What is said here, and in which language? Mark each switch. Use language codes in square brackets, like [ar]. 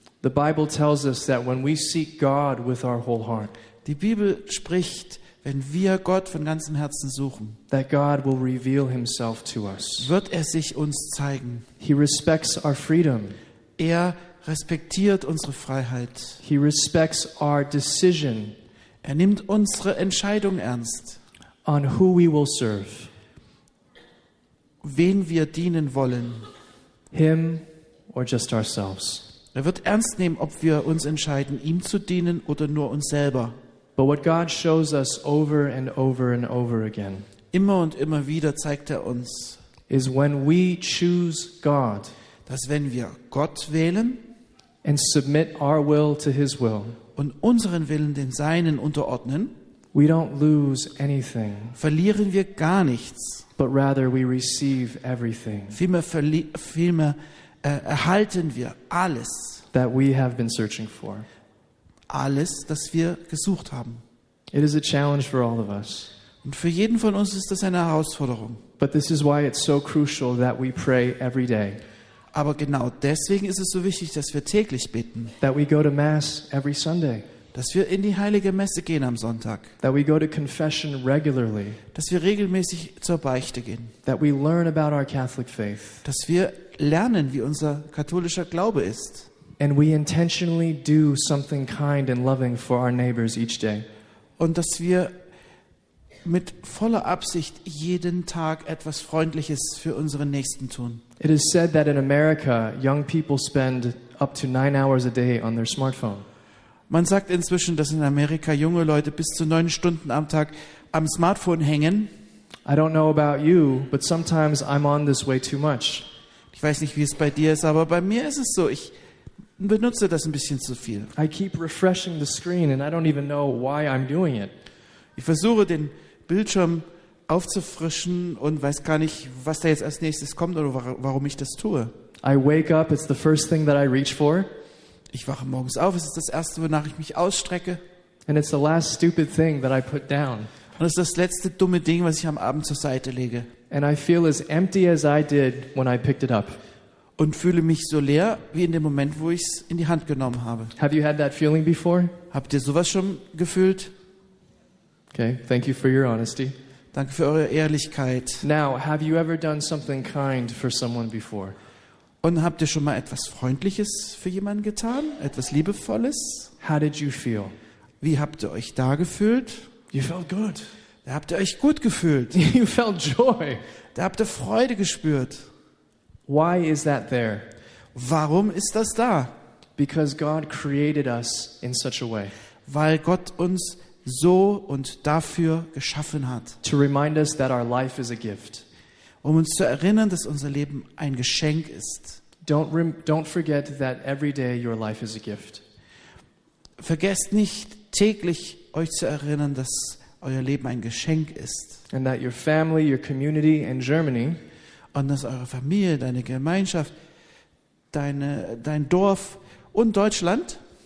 [en] The Bible tells us that when we seek God with our whole heart. [de] Die Bibel spricht, wenn wir Gott von ganzem Herzen suchen. [en] That God will reveal himself to us. [de] Wird er sich uns zeigen. [en] He respects our freedom. [de] Er respektiert unsere Freiheit. [en] He respects our decision. [de] Er nimmt unsere Entscheidung ernst. [en] On who we will serve. [de] Wen wir dienen wollen. [en] Him or just ourselves. [de] Er wird ernst nehmen, ob wir uns entscheiden, ihm zu dienen oder nur uns selber. [en] But what God shows us over and over and over again. [de] Immer und immer wieder zeigt er uns. [en] Is when we choose God. [de] Dass wenn wir Gott wählen. [en] And submit our will to his will. [de] Und unseren Willen den seinen unterordnen. [en] We don't lose anything. [de] Verlieren wir gar nichts. [en] But rather we receive everything. [de] Vielmehr erhalten wir alles. [en] That we have been searching for. [de] Alles, das wir gesucht haben. [en] It is a challenge for all of us. [de] Und für jeden von uns ist das eine Herausforderung. [en] But this is why it's so crucial that we pray every day. [de] Aber genau deswegen ist es so wichtig, dass wir täglich beten. [en] That we go to mass every Sunday. [de] Dass wir in die heilige Messe gehen am Sonntag. [en] That we go to confession regularly. [de] Dass wir regelmäßig zur Beichte gehen. [en] That we learn about our Catholic faith. [de] Dass wir lernen, wie unser katholischer Glaube ist. [en] And we intentionally do something kind and loving for our neighbors each day. [de] Und dass wir mit voller Absicht jeden Tag etwas Freundliches für unseren Nächsten tun. [en] It is said that in America, young people spend up to 9 hours a day on their smartphone. [de] Man sagt inzwischen, dass in Amerika junge Leute bis zu 9 Stunden am Tag am Smartphone hängen. [en] I don't know about you, but sometimes I'm on this way too much. [de] Ich weiß nicht, wie es bei dir ist, aber bei mir ist es so, ich benutze das ein bisschen zu viel. [en] I keep refreshing the screen and I don't even know why I'm doing it. [de] Ich versuche den Bildschirm aufzufrischen und weiß gar nicht, was da jetzt als nächstes kommt oder warum ich das tue. [en] I wake up, it's the first thing that I reach for. [de] Ich wache morgens auf, es ist das erste, wonach ich mich ausstrecke. [en] And it's the last stupid thing that I put down. [de] Und es ist das letzte dumme Ding, was ich am Abend zur Seite lege. [en] And I feel as empty as I did when I picked it up. [de] Und fühle mich so leer wie in dem Moment, wo ich es in die Hand genommen habe. [en] Have you had that feeling before? [de] Habt ihr sowas schon gefühlt? [en] Okay, thank you for your honesty. [de] Danke für eure Ehrlichkeit. [en] Now, have you ever done something kind for someone before? [de] Und habt ihr schon mal etwas Freundliches für jemanden getan? Etwas Liebevolles? [en] How did you feel? [de] Wie habt ihr euch da gefühlt? [en] You felt good. [de] Da habt ihr euch gut gefühlt. [en] You felt joy. [de] Da habt ihr Freude gespürt. [en] Why is that there? [de] Warum ist das da? [en] Because God created us in such a way. [de] Weil Gott uns so und dafür geschaffen hat. [en] To remind us that our life is a gift. [de] Um uns zu erinnern, dass unser Leben ein Geschenk ist. [en] Don't forget that every day your life is a gift. [de] Vergesst nicht täglich euch zu erinnern, dass euer Leben ein Geschenk ist. [en] And that your family, your community and Germany. [de] Und dass eure Familie, deine Gemeinschaft, dein Dorf und Deutschland